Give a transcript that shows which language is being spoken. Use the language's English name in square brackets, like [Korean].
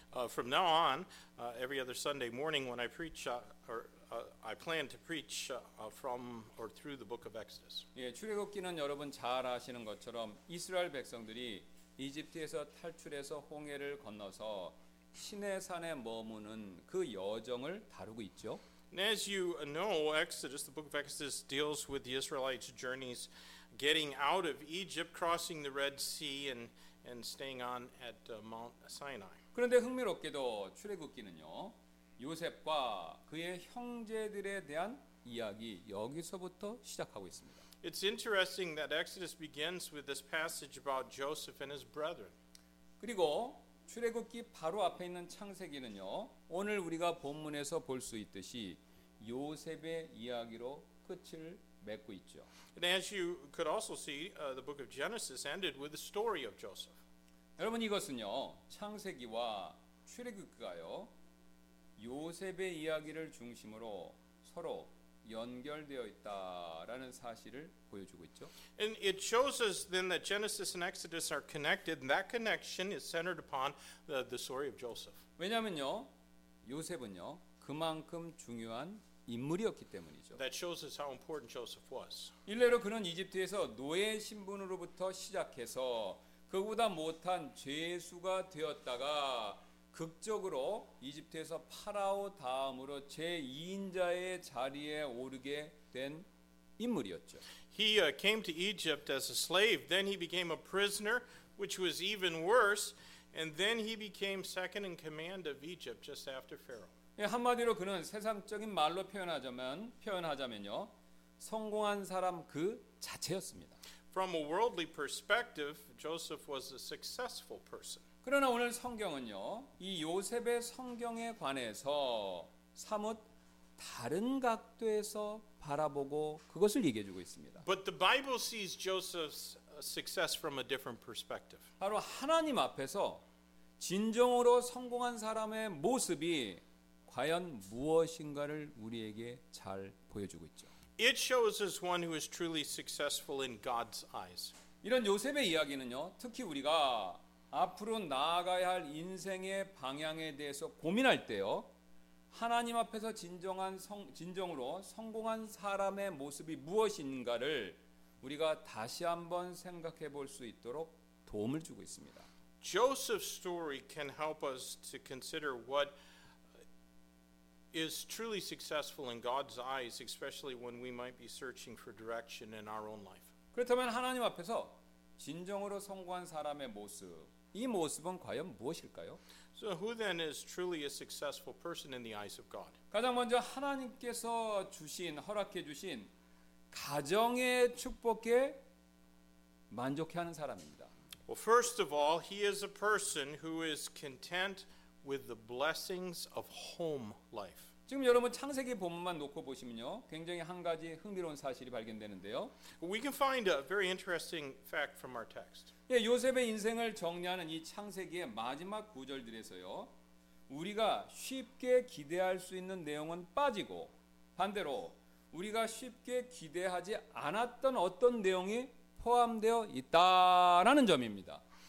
[English] From now on, every other Sunday morning when I preach I plan to preach from or through the book of Exodus. [Korean] 예, 출애굽기는 여러분 잘 아시는 것처럼 이스라엘 백성들이 이집트에서 탈출해서 홍해를 건너서 시내산에 머무는 그 여정을 다루고 있죠. [English] And as you know, Exodus, the book of Exodus deals with the Israelites' journeys getting out of Egypt, crossing the Red Sea and staying on at Mount Sinai. [Korean] 그런데 흥미롭게도 출애굽기는요, 요셉과 그의 형제들에 대한 이야기 여기서부터 시작하고 있습니다. [English] It's interesting that Exodus begins with this passage about Joseph and his brethren. [Korean] 그리고 출애굽기 바로 앞에 있는 창세기는요. 오늘 우리가 본문에서 볼 수 있듯이 요셉의 이야기로 끝을 맺고 있죠. [English] And as you could also see, the book of Genesis ended with the story of Joseph. [Korean] 여러분 이것은요. 창세기와 출애굽기가요. 요셉의 이야기를 중심으로 서로 연결되어 있다라는 사실을 보여주고 있죠. [English] And it shows us then that Genesis and Exodus are connected and that connection is centered upon the story of Joseph. [Korean] 왜냐면요. 요셉은요. 그만큼 중요한 인물이었기 때문이죠. [English] That shows us how important Joseph was. [Korean] 일례로 그는 이집트에서 노예 신분으로부터 시작해서 그보다 못한 죄수가 되었다가 극적으로 이집트에서 파라오 다음으로 제2인자의 자리에 오르게 된 인물이었죠. [English] He came to Egypt as a slave, then he became a prisoner, which was even worse, and then he became second in command of Egypt just after Pharaoh. [Korean] 한마디로 그는 세상적인 말로 표현하자면요. 성공한 사람 그 자체였습니다. [English] From a worldly perspective, Joseph was a successful person. [Korean] 그러나 오늘 성경은요, 이 요셉의 성경에 관해서 사뭇 다른 각도에서 바라보고 그것을 얘기해 주고 있습니다. [English] But the Bible sees Joseph's success from a different perspective. [Korean] 바로 하나님 앞에서 진정으로 성공한 사람의 모습이 과연 무엇인가를 우리에게 잘 보여주고 있죠. [English] It shows us one who is truly successful in God's eyes. [Korean] 이런 요셉의 이야기는요, 특히 우리가 앞으로 나아가야 할 인생의 방향에 대해서 고민할 때요, 하나님 앞에서 진정으로 성공한 사람의 모습이 무엇인가를 우리가 다시 한번 생각해 볼 수 있도록 도움을 주고 있습니다. [English] Joseph's story can help us to consider what is truly successful in God's eyes, especially when we might be searching for direction in our own life. [Korean] 그렇다면 하나님 앞에서 진정으로 성공한 사람의 모습, 이 모습은 과연 무엇일까요? [English] So who then is truly a successful person in the eyes of God? [Korean] 가장 먼저 하나님께서 주신, 허락해 주신 가정의 축복에 만족해하는 사람입니다. [English] Well, first of all, he is a person who is content with the blessings of home life. [Korean] 지금 여러분 창세기 본문만 놓고 보시면요, 굉장히 한 가지 흥미로운 사실이 발견되는데요. [English] We can find a very interesting fact from our text. [Korean] 예, 요셉의 인생을 정리하는 이 창세기의 마지막 구절들에서요, 우리가 쉽게 기대할 수 있는 내용은 빠지고 반대로 우리가 쉽게 기대하지 않았던 어떤 내용이 포함되어 있다라는 점입니다.